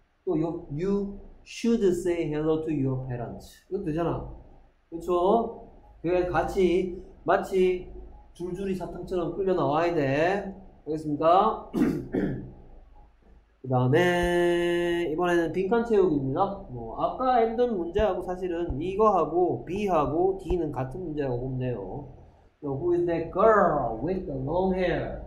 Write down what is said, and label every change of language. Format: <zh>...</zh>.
<en>또 you should say hello to your parents.</en> <ko>이거 되잖아. 그쵸? 그게 같이, 마치 줄줄이 사탕처럼 끌려 나와야 돼. 알겠습니까? 그 다음에, 이번에는 빈칸 채우기입니다. 뭐, 아까 앤든 문제하고 사실은 이거하고 B하고 D는 같은 문제라고 보면 돼요.</ko> <en>Who is that girl with the long hair?</en>